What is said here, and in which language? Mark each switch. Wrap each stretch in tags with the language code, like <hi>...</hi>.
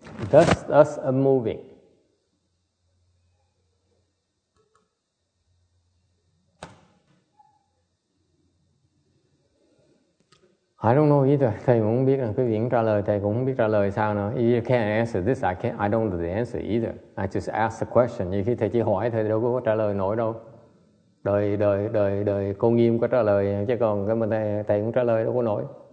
<en>Thus, thus a moving. I don't know either.</en> <vi>Thầy cũng không biết, quý vị cũng trả lời, thầy cũng không biết trả lời sao nữa.</vi> <en>If you can't answer this, I don't know the answer either. I just ask the question.</en> <vi>Như khi thầy chỉ hỏi, thầy đâu có trả lời nổi đâu. Đời cô Nghiêm có trả lời, chứ còn cái mà thầy cũng trả lời đâu có nổi.</vi>